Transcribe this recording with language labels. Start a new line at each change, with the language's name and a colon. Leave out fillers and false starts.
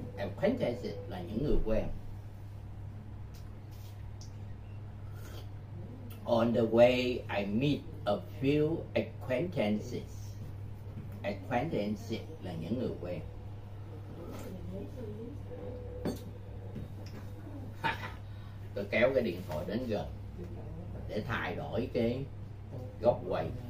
Vietnamese: Acquaintances là những người quen.
English: On the way, I meet a few acquaintances.
Vietnamese: Acquaintances là những người quen. Tôi kéo cái điện thoại đến gần để thay đổi cái góc quay.